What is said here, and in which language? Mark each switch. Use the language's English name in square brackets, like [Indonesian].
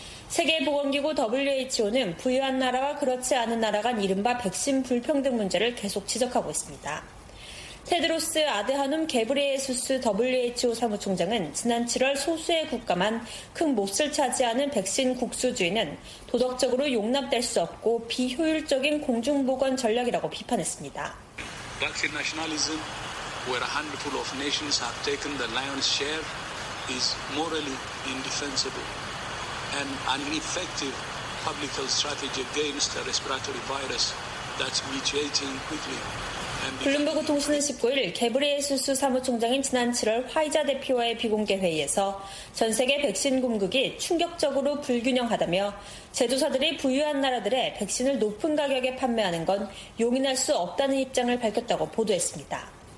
[Korean] 세계보건기구 WHO는 부유한 나라와 그렇지 않은 나라 간 이른바 백신 불평등 문제를 계속 지적하고 있습니다. 테드로스 아드하눔 게브레예수스 WHO 사무총장은 지난 7월 소수의 국가만 큰 몫을 차지하는 백신 국수주의는 도덕적으로 용납될 수 없고 비효율적인 공중보건 전략이라고 비판했습니다. [English] Vaccine nationalism, where a handful of nations have taken the lion's share, is morally indefensible. An ineffective public health strategy against the respiratory virus that's mutating quickly. [Korean] 블룸버그 통신은 19일 게브레예수스 사무총장인 지난 7월 화이자 대표와의 비공개 회의에서 전 세계 백신 공급이 충격적으로 불균형하다며 제조사들이 부유한 나라들의 백신을 높은 가격에 판매하는 건 용인할 수 없다는 입장을 밝혔다고 보도했습니다.